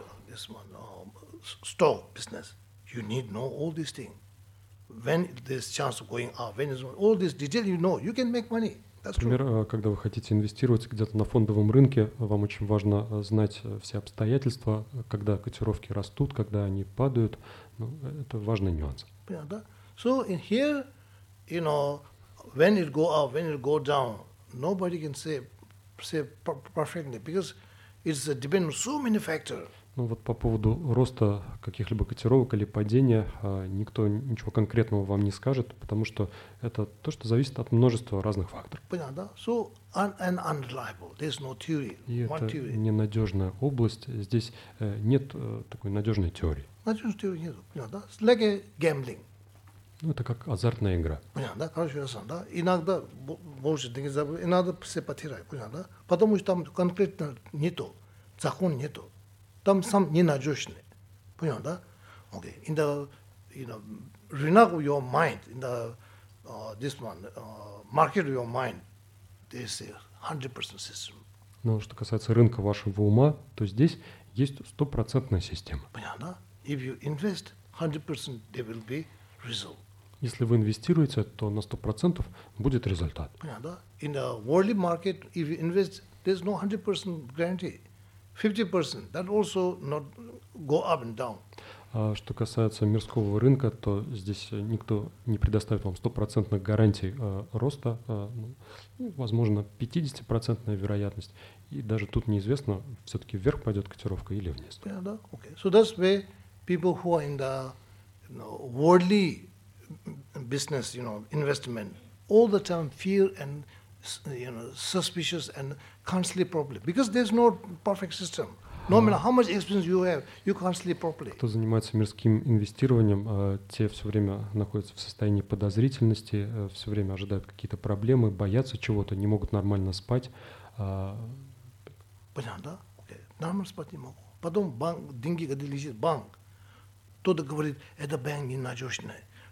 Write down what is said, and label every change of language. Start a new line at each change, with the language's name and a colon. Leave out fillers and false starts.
English: This one, stock business. You need know all these things. When this chance of going up, when is all these details you know, you can make money. That's true.
Russian: Например, когда вы хотите инвестировать где-то на фондовом рынке, вам очень важно знать все обстоятельства, когда котировки растут, когда они падают. Ну, это важный нюанс. Понятно.
English: So in here, you know, when it go up, when it go down, nobody can say perfectly because it's depend on so many factors.
Russian: Ну вот по поводу роста каких-либо котировок или падения никто ничего конкретного вам не скажет, потому что это то, что зависит от множества разных факторов. Понятно, да?
English: So, unreliable. There's no theory.
Russian: И это ненадежная область. Здесь нет такой надежной теории. Надежной теории нет. Понятно, да?
English: It's like a gambling.
Russian: Ну, это как азартная игра. Понятно, да? Короче, ясно, да? Иногда больше деньги забывают, иногда все потеряют. Понятно, да? Потому что там конкретно не то. Закон не то. Там сам ненадежный. Понятно, да? Окей.
English: Okay. In the, you know, rinak of your mind, in the, this one, market of your mind, there's a 100% system.
Russian: Ну, что касается рынка вашего ума, то здесь есть 100% система. Понятно, да?
English: If you invest 100%, there will be result.
Russian: Если вы инвестируете, то на 100% будет результат. Понятно, да?
English: In the worldly market, if you invest, there's no 100% guarantee. 50%, that also not go up and down.
Russian: Что касается мирского рынка, то здесь никто не предоставит вам 100% гарантий роста. Возможно, 50% вероятность. И даже тут неизвестно, все-таки вверх пойдет котировка или вниз.
English: Yeah, да? Okay. So that's where people who are in the, you know, worldly business, you know, investment, all the time fear and, you know, suspicious and can't sleep properly because there's no perfect system. No matter how much experience you have, you can't sleep properly.
Russian: Кто занимается мирским инвестированием, те все время находятся в состоянии подозрительности, все время ожидают какие-то проблемы, боятся чего-то, не могут нормально спать. Понятно, да? Okay. Нормально спать не могу. Потом банк, деньги, когда лежит банк, кто-то говорит, это банк ненадежный.